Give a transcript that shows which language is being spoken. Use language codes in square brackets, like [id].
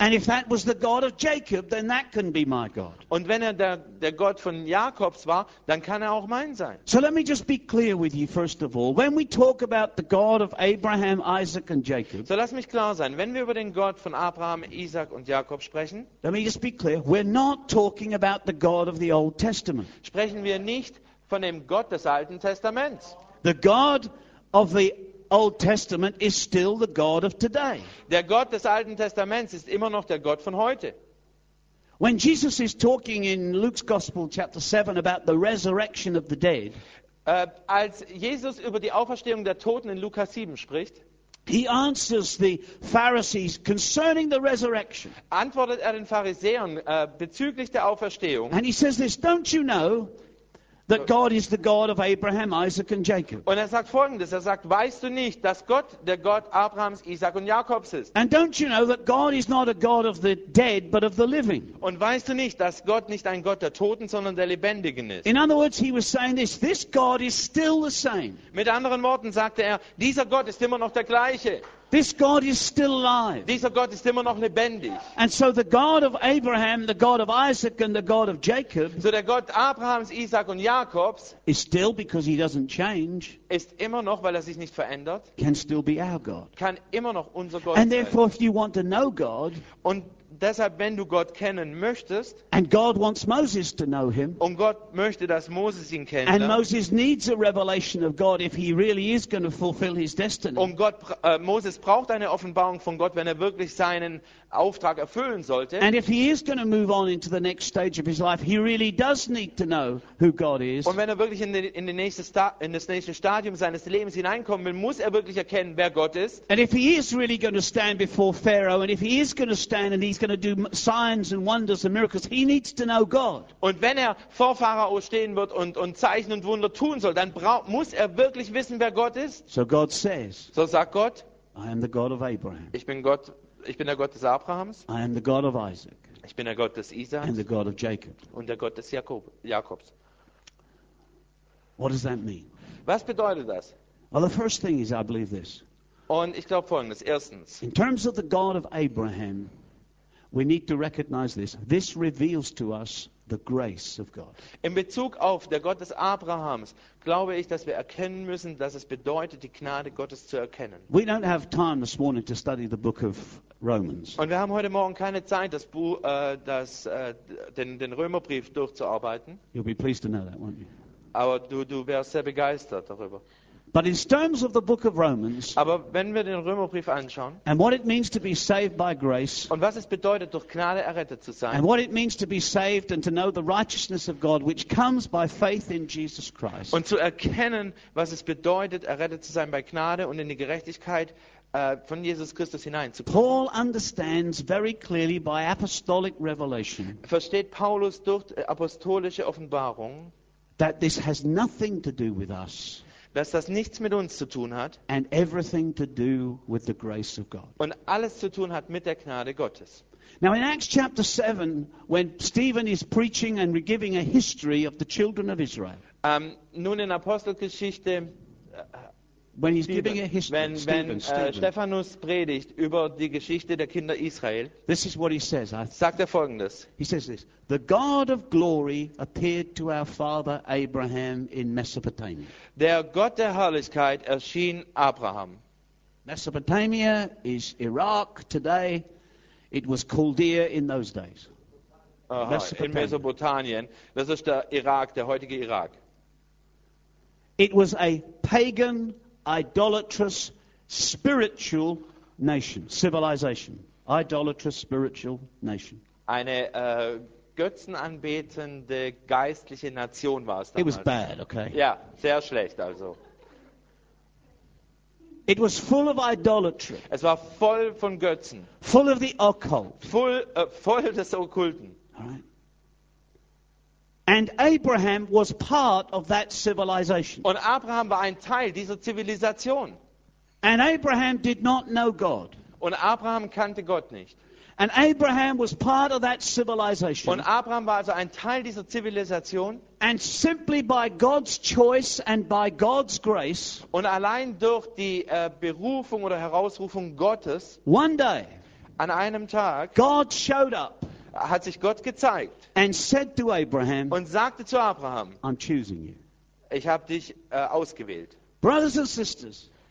[en] And if that was the God of Jacob, then that can be my God. [de] Und wenn er der Gott von Jakobs war, dann kann er auch mein sein. [en] So let me just be clear with you first of all. When we talk about the God of Abraham, Isaac and Jacob. [de] So lass mich klar sein, wenn wir über den Gott von Abraham, Isaac und Jakob sprechen. [en] Let me just be clear. We're not talking about the God of the Old Testament. [de] Sprechen wir nicht von dem Gott des Alten Testaments. [en] The God of the Old Testament is still the God of today. [de] Der Gott des Alten Testaments ist immer noch der Gott von heute. [en] When Jesus is talking in Luke's Gospel chapter 7 about the resurrection of the dead, [de] als Jesus über die Auferstehung der Toten in Lukas 7 spricht, [en] he answers the Pharisees concerning the resurrection. [de] Antwortet er den Pharisäern bezüglich der Auferstehung. [en] And he says this, don't you know that God is the God of Abraham, Isaac and Jacob. [de] Und er sagt folgendes, er sagt, weißt du nicht, dass Gott der Gott Abrahams, Isaac und Jakobs ist? [en] And don't you know that God is not a God of the dead, but of the living? [de] Und weißt du nicht, dass Gott nicht ein Gott der Toten, sondern der Lebendigen ist? [en] In other words, he was saying this, this God is still the same. [de] Mit anderen Worten sagte er, dieser Gott ist immer noch der gleiche. [en] This God is still alive. [de] Dieser Gott ist immer noch lebendig. [en] And so the God of Abraham, the God of Isaac and the God of Jacob, [de] so der Gott Abrahams, Isaac und Jakobs, [en] is still, because he doesn't change, [de] ist immer noch, weil er sich nicht verändert, [en] can still be our God. [de] Kann immer noch unser Gott sein. [en] And therefore if you want to know God, [de] und deshalb, wenn du Gott kennen möchtest, [en] and God wants Moses to know him, [de] und Gott möchte, dass Moses ihn kennt, [en] and Moses needs a revelation of God if he really is going to fulfill his destiny. [de] Und Gott, Moses braucht eine Offenbarung von Gott, wenn er wirklich seinen Auftrag erfüllen sollte. [en] And if he is going to move on into the next stage of his life, he really does need to know who God is. [de] Und wenn er wirklich in das nächste Stadium seines Lebens hineinkommen will, muss er wirklich erkennen, wer Gott ist. [en] And if he is really going to stand before Pharaoh, and if he is going to stand and he's going to do signs and wonders and miracles, he needs to know God. [de] Und wenn er vor Pharao stehen wird und Zeichen und Wunder tun soll, dann muss er wirklich wissen, wer Gott ist. [en] So God says. [de] So sagt Gott. [en] I am the God of Abraham. [de] Ich bin der Gott des Abrahams. [en] I am the God of Isaac. [de] Ich bin der Gott des Isaaks. [en] And the God of Jacob. [de] Und der Gott des Jakobs. [en] What does that mean? [de] Was bedeutet das? [en] Well, the first thing is, I believe this. [de] Und ich glaube folgendes. Erstens. [en] In terms of the God of Abraham, we need to recognize this. This reveals to us the grace of God. [de] In Bezug auf der Gott des Abrahams, glaube ich, dass wir erkennen müssen, dass es bedeutet, die Gnade Gottes zu erkennen. [en] We don't have time this morning to study the book of Romans. [de] Und wir haben heute Morgen keine Zeit, den Römerbrief durchzuarbeiten. [en] You'll be pleased to know that, won't you? [de] Aber du wärst sehr begeistert darüber. [en] But in terms of the book of Romans, [de] aber wenn wir den Römerbrief anschauen, [en] and what it means to be saved by grace, [de] und was es bedeutet, durch Gnade errettet zu sein, [en] and what it means to be saved and to know the righteousness of God, which comes by faith in Jesus Christ, [de] und zu erkennen, was es bedeutet, errettet zu sein bei Gnade und in die Gerechtigkeit von Jesus Christus hinein zu kommen. [en] Paul understands very clearly by apostolic revelation, [de] versteht Paulus durch apostolische Offenbarung, [en] that this has nothing to do with us, [de] dass das nichts mit uns zu tun hat, [en] and everything to do with the grace of God, [de] und alles zu tun hat mit der Gnade Gottes. [en] Now in Acts chapter 7, when Stephen is preaching and giving a history of the children of Israel, [de] nun in Apostelgeschichte [en] when he's giving it his [de] Stephanus predigt über die Geschichte der Kinder Israel, [en] this is what he says. [de] Sagt er Folgendes. [en] He says this: the God of glory appeared to our father Abraham in Mesopotamia. [de] Der Gott der Herrlichkeit erschien Abraham. [en] Mesopotamia is Iraq today. It was Chaldea in those days. [de] In Mesopotamien, das ist der Irak, der heutige Irak. [en] It was a pagan, idolatrous, spiritual nation, civilization. Idolatrous, spiritual nation. [de] Eine götzenanbetende geistliche Nation war es damals. [en] It was bad, okay. [de] Ja, sehr schlecht also. [en] It was full of idolatry. [de] Es war voll von Götzen. [en] Full of the occult. [de] Voll des Okkulten. [en] And Abraham was part of that civilization. [de] Und Abraham war ein Teil dieser Zivilisation. [en] And Abraham did not know God. [de] Und Abraham kannte Gott nicht. [en] And Abraham was part of that civilization. [de] Und Abraham war also ein Teil dieser Zivilisation. [en] And simply by God's choice and by God's grace. [de] Und allein durch die Berufung oder Herausrufung Gottes. [en] One day. [de] An einem Tag. [en] God showed up. [de] Hat sich Gott gezeigt [en] and said to Abraham, [de] und sagte zu Abraham, [en] I'm choosing you. [de] Ich habe dich ausgewählt. [en] Brothers and sisters,